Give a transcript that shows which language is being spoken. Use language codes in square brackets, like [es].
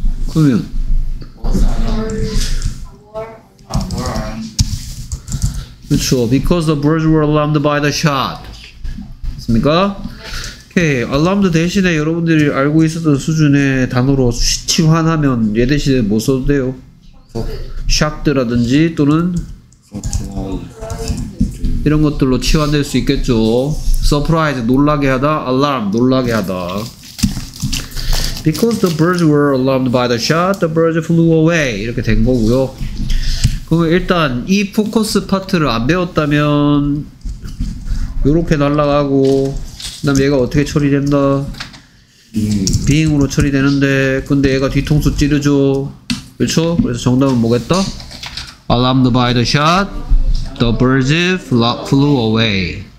[ko] 그러면 그렇죠, [en] because the birds were alarmed by the shot. [ko] 맞습니까? [en] Okay. [ko] Alarmed 대신에 여러분들이 알고 있었던 수준의 단어로 시치환하면 얘 대신에 뭐 써도 돼요? Shocked라든지 또는 이런 것들로 치환될 수 있겠죠. Surprise, 놀라게 하다. Alarm, 놀라게 하다. [en] Because the birds were alarmed by the shot, the birds flew away. [ko] 이렇게 된 거고요. 그럼 일단 이 포커스 파트를 안 배웠다면 이렇게 날아가고 그 다음에 얘가 어떻게 처리된다? 빙으로 처리되는데, 근데 얘가 뒤통수 찌르죠. 그렇죠? 그래서 정답은 뭐겠다? [en] Alarmed by the shot, the birds flew away.